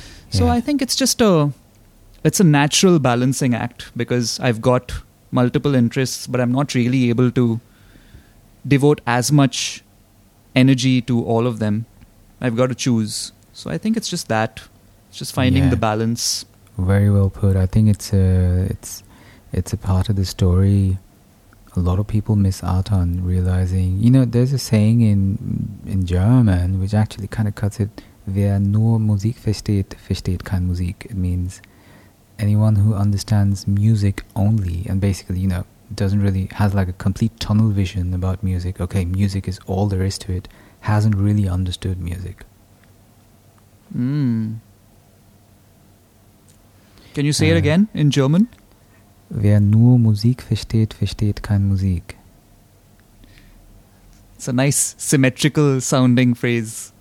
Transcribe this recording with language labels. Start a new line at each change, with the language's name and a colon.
English: So I think it's just a natural balancing act, because I've got multiple interests, but I'm not really able to devote as much energy to all of them. I've got to choose. So I think it's just that. It's just finding the balance. Very well put. I think it's a part of the story a lot of people miss out on realizing. You know, there's a saying in German which actually kind of cuts it.
German: Wer nur Musik versteht, versteht keine Musik.
English: It means anyone who understands music only, and basically, you know, doesn't really, has like a complete tunnel vision about music, okay, music is all there is to it, hasn't really understood music. Can you say it again in German?
German: Wer nur Musik versteht, versteht keine Musik.
English: It's a nice symmetrical sounding phrase.